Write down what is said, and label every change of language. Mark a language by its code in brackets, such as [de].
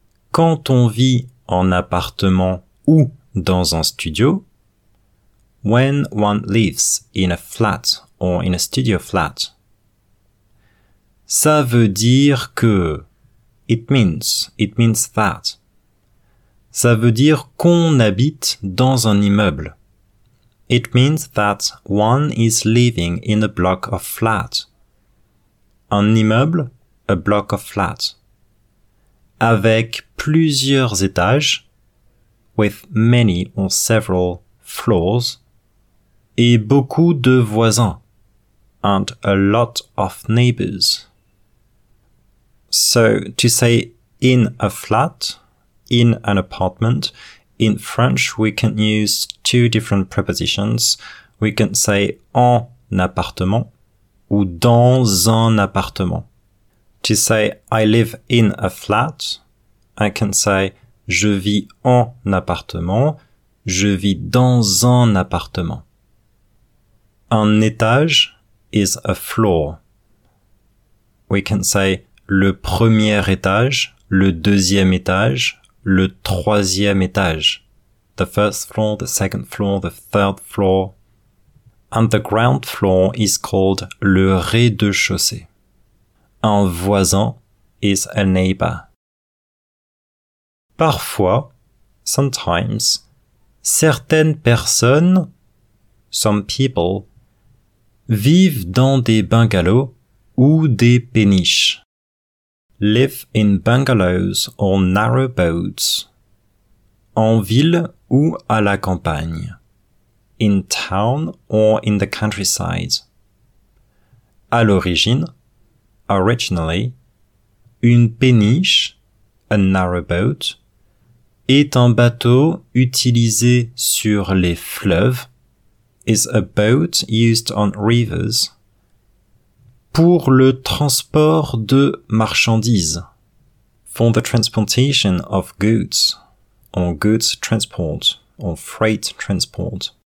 [fr] Quand on vit en appartement ou dans un studio, [en] when one lives in a flat or in a studio flat, [fr] ça veut dire que, [en] it means that. [fr] Ça veut dire qu'on habite dans un immeuble. [en] It means that one is living in a block of flat. [fr] Un immeuble, [en] a block of flat. [fr] Avec plusieurs étages, [en] with many or several floors, [fr] et beaucoup de voisins, [en] and a lot of neighbors. So, to say in a flat, in an apartment, in French we can use two different prepositions. We can say [fr] en appartement ou dans un appartement. [en] To say I live in a flat, I can say [fr] je vis en appartement, je vis dans un appartement. [en] Un étage is a floor. We can say [fr] le premier étage, le deuxième étage, le troisième étage. [en] The first floor, the second floor, the third floor. And the ground floor is called le rez-de-chaussée. Un voisin is a neighbor. [fr] Parfois, [en] sometimes, [fr] certaines personnes, [en] some people, [fr] vivent dans des bungalows ou des péniches. [en] Live in bungalows or narrow boats. [fr] En ville ou à la campagne. [en] In town or in the countryside. [fr] À l'origine, [en] originally, [fr] une péniche, [en] a narrow boat, [fr] est un bateau utilisé sur les fleuves, [en] is a boat used on rivers, [fr] pour le transport de marchandises, [en] for the transportation of goods, on goods transport, on freight transport.